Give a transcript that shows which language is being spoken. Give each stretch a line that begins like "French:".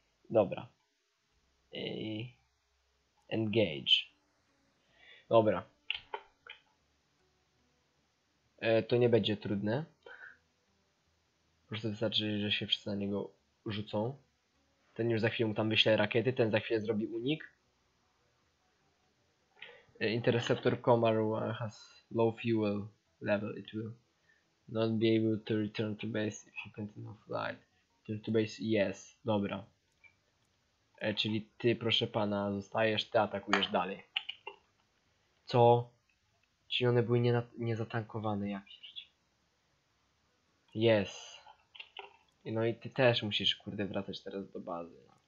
Polish: Dobra.
English: I engage.
Polish: Dobra. To nie będzie trudne. Po prostu wystarczy, że się wszyscy na niego rzucą. Ten już za chwilę mu tam wyśle rakiety, ten za chwilę zrobi unik.
English: Interceptor Komaru has low fuel level. It will not be able to return to base if you continue flight. Return to base, yes.
Polish: Dobra. Czyli ty, proszę pana, zostajesz, ty atakujesz dalej. Co? Czyli one były niezatankowane, jak pierdzie.
English: Yes.
Polish: No i ty też musisz, kurde, wracać teraz do bazy.